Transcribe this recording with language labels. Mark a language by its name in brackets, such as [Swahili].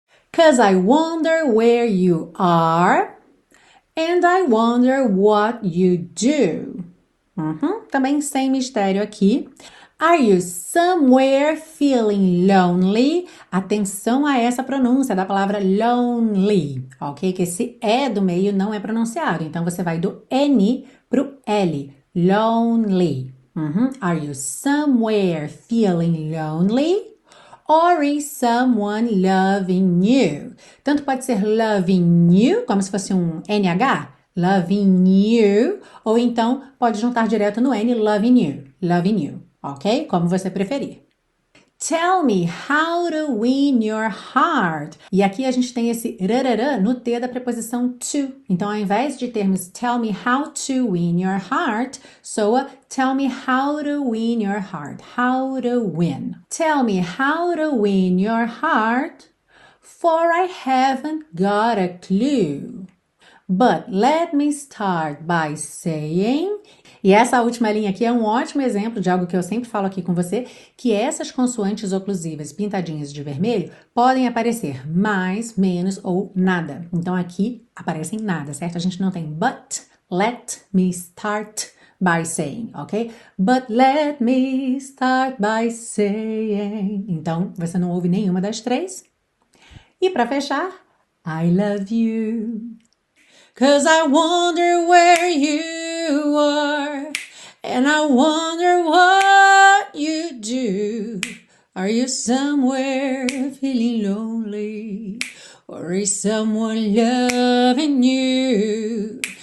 [English] Because I wonder where you are and I wonder what you do. [Portuguese] Também sem mistério aqui. [English] Are you somewhere feeling lonely? [Portuguese] Atenção a essa pronúncia da palavra lonely, ok? Que esse E do meio não é pronunciado. Então, você vai do N pro L, lonely. [English] Are you somewhere feeling lonely? Or is someone loving you? [Portuguese] Tanto pode ser [English] loving you, [Portuguese] como se fosse um NH, loving you. Ou então, pode juntar direto no N, [English] loving you. [Portuguese] Ok? Como você preferir. [English] Tell me how to win your heart. [Portuguese] E aqui a gente tem esse rararã no T da preposição to. Então, ao invés de termos [English] tell me how to win your heart, [Portuguese] soa tell me how to win your heart. [English] How to win. Tell me how to win your heart, for I haven't got a clue. But let me start by saying... [Portuguese] E essa última linha aqui é um ótimo exemplo de algo que eu sempre falo aqui com você, que essas consoantes oclusivas pintadinhas de vermelho podem aparecer mais, menos ou nada. Então, aqui aparecem nada, certo? A gente não tem [English] but, let me start by saying, [Portuguese] ok? [English] But let me start by saying... [Portuguese] Então, você não ouve nenhuma das três. E pra fechar, [English] I love you... 'Cause I wonder where you are, and I wonder what you do. Are you somewhere feeling lonely, or is someone loving you?